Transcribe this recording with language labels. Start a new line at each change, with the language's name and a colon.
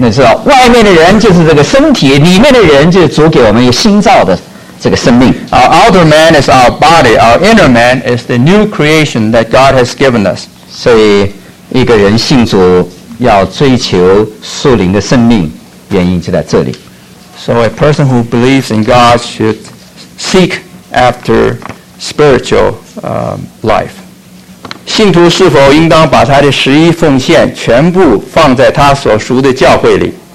Chinese: 你知道，外面的人就是这个身体，里面的人就是主给我们新造的。这个生命
English: Our outer man is our body. Our inner man is the new creation that God has given us.
Chinese: 所以一个人信主要追求属灵的生命，原因就在这里。
English: So a person who believes in God should seek after spiritual life.
Chinese: 信徒是否应当把他的十一奉献全部放在他所属的教会里？